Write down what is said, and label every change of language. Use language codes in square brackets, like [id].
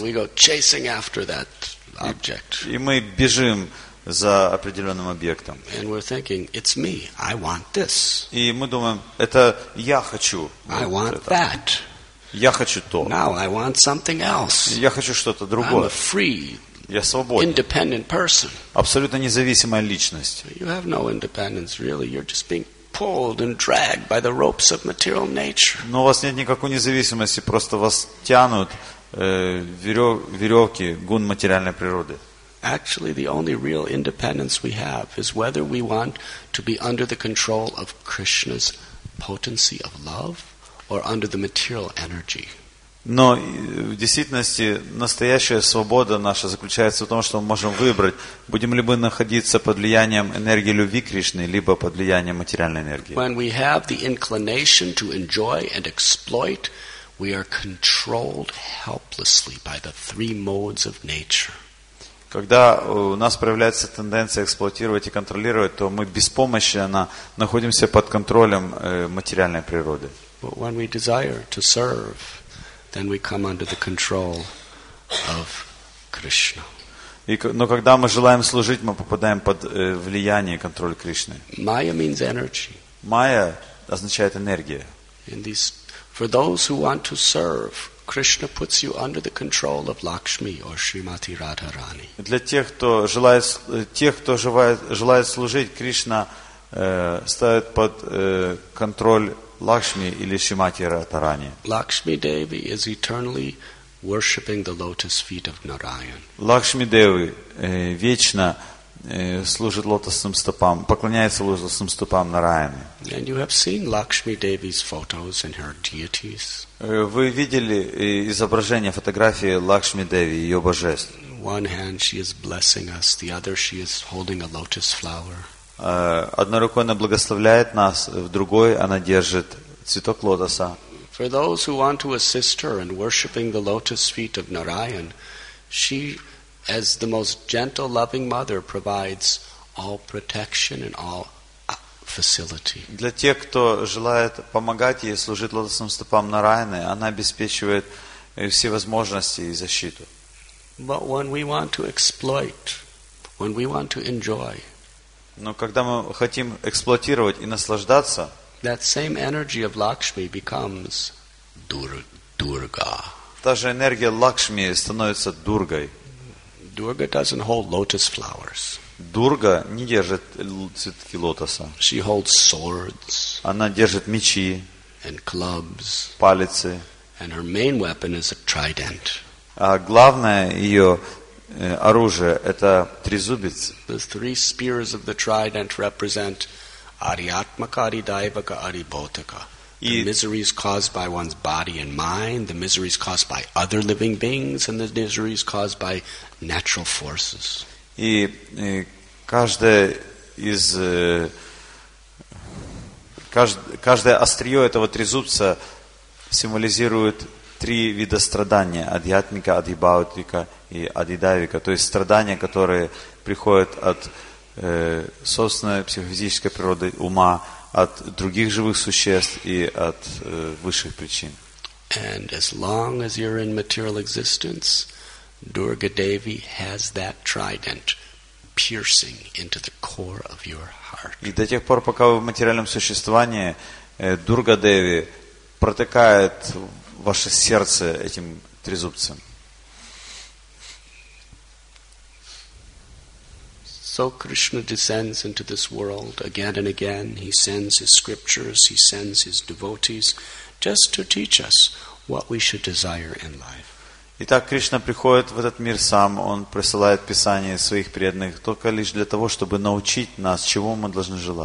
[en] And we go chasing after that object. [ru] И мы бежим за определенным объектом. [en] And we're thinking, it's me. I want this. [ru] И мы думаем, это я хочу. [en] I want that. [ru] Я хочу то. [en] Now I want something else. [ru] Я хочу что-то другое. [en] I'm a free, [ru] я свободен. [en] Independent person. [ru] Абсолютно независимая личность. [en] You have no independence, really. You're just being pulled and dragged by the ropes of material nature. [ru] Но у вас нет никакой независимости, просто вас тянут веревки гун материальной природы. [en] Actually, the only real independence we have is whether we want to be under the control of Krishna's potency of love or under the material energy. [ru] Но в действительности настоящая свобода наша заключается в том, что мы можем выбрать, будем ли мы находиться под влиянием энергии любви Кришны, либо под влиянием материальной энергии. [en] When we have the inclination to enjoy and exploit, we are controlled helplessly by the three modes of nature. [ru] Когда у нас проявляется тенденция эксплуатировать и контролировать, то мы беспомощно находимся под контролем материальной природы. [en] But when we desire to serve, then we come under the control of Krishna. [ru] Но когда мы желаем служить, мы попадаем под влияние и контроль Кришны. [en] Maya means energy. [ru] Майя означает энергия. [en] For those who want to serve, Krishna puts you under the control of Lakshmi or Srimati Radharani. [ru] Для тех, кто желает, желает служить, Кришна ставит под контроль Лакшми или Шримати Радхарани. [en] Lakshmi Devi is eternally worshipping the lotus feet of Narayan. [ru] Лакшми Деви вечно служит лотосным стопам, поклоняется лотосным стопам Нараяны. [en] And you have seen Lakshmi Devi's photos and her deities. [ru] Вы видели изображение, фотографии Лакшми Деви, ее божеств. [en] One hand she is blessing us, the other she is holding a lotus flower. [ru] Одной рукой она благословляет нас, в другой она держит цветок лотоса. [en] For those who want to assist her in worshiping the lotus feet of Narayan, she, as the most gentle, loving mother, provides all protection and all facility. [ru] Для тех, кто желает помогать ей служить лотосным стопам Нараяны, она обеспечивает все возможности и защиту. [en] But when we want to exploit, when we want to enjoy, [ru] но когда мы хотим эксплуатировать и наслаждаться, [en] that same energy of Lakshmi becomes Durga. [ru] Та же энергия Лакшми становится Дургой. [en] Durga doesn't hold lotus flowers. [ru] Дурга не держит цветки лотоса. [en] She holds swords. [ru] Она держит мечи. [en] And clubs. [ru] Палицы. [en] And her main weapon is a trident. [ru] А главное ее оружие это тризубец. [en] The three spears of the trident represent Ariatmaka, Aridaivaka, Aribhautaka. The miseries caused by one's body and mind, the miseries caused by other living beings, and the miseries caused by natural forces. [ru] И каждое из каждое острие этого трезубца символизирует три вида страдания: адьятмика, адибаутика и адидавика, то есть страдания, которые приходят от собственной психофизической природы ума, от других живых существ и от высших причин. [en] And as long as you're in material existence, Durga Devi has that trident piercing into the core of your heart. [ru] И до тех пор, пока вы в материальном существовании, Дурга Деви протыкает ваше сердце этим трезубцем. [en] So Krishna descends into this world again and again. He sends his scriptures, he sends his devotees just to teach us what we should desire in life. [ru] Итак, Кришна приходит в этот мир сам, Он присылает Писание своих преданных только лишь для того, чтобы научить нас, чего мы должны